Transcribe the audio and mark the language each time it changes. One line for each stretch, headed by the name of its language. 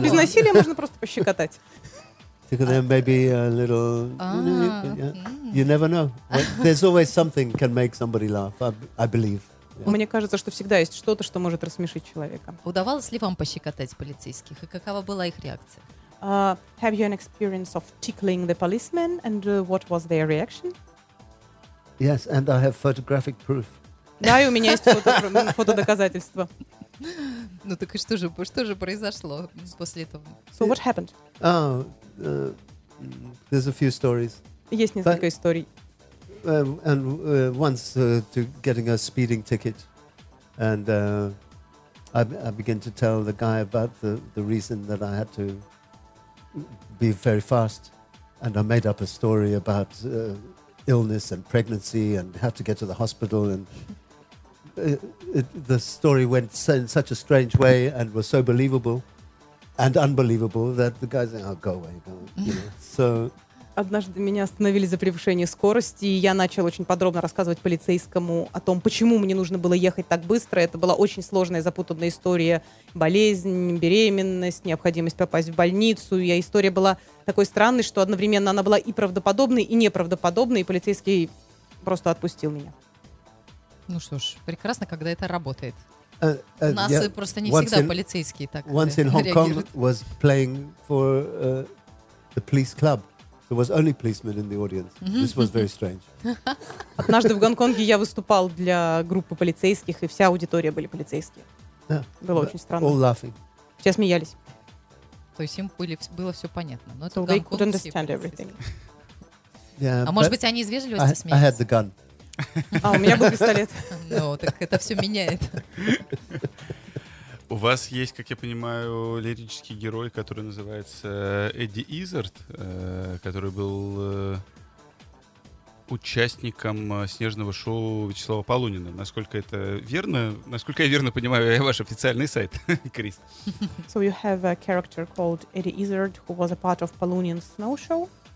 Russian: Без насилия можно просто пощекотать.
English: Tickle them maybe a little. You never know. There's always something can make somebody laugh, I believe. Yeah.
Russian: Мне кажется, что всегда есть что-то, что может рассмешить человека. Удавалось ли вам пощекотать полицейских? И какова была их реакция?
English: Have you an experience of tickling the policeman? And what was their reaction? Yes, and I have photographic proof.
Russian: Да, и у меня есть фотодоказательство. Ну так и что же произошло после этого?
English: So what happened? Oh, there's a few stories.
Russian: Есть несколько историй.
English: And once to getting a speeding ticket, and I began to tell the guy about the reason that I had to be very fast, and I made up a story about illness and pregnancy and had to get to the hospital, and the story went in such a strange way and was so believable and unbelievable that the guy said, "Oh, go away." You know, so.
Russian: Однажды меня остановили за превышение скорости, и я начал очень подробно рассказывать полицейскому о том, почему мне нужно было ехать так быстро. Это была очень сложная и запутанная история. Болезнь, беременность, необходимость попасть в больницу. И история была такой странной, что одновременно она была и правдоподобной, и неправдоподобной, и полицейский просто отпустил меня. Ну что ж, прекрасно, когда это работает. Просто не всегда полицейские так реагируют.
English: Once in Hong Kong was playing for the police club. There was only policemen in the audience. This was very strange.
Russian: Однажды в Гонконге я выступал для группы полицейских, и вся аудитория были полицейские. Было очень странно.
English: All laughing.
Russian: Все смеялись. То есть им было все понятно. Но это в Гонконге.
English: They couldn't understand everything.
Russian: А может быть, они из вежливости смеялись?
English: I had the gun.
Russian: А, у меня был пистолет. Ну, так это все меняет. У вас есть, как я понимаю, лирический герой, который называется Эдди Иззард, который был участником снежного шоу Вячеслава Полунина. Насколько это верно? Насколько я верно понимаю, я ваш официальный сайт, Крис.
English: So you have a character called Eddie Izzard, who was a part of Polunin's snow show?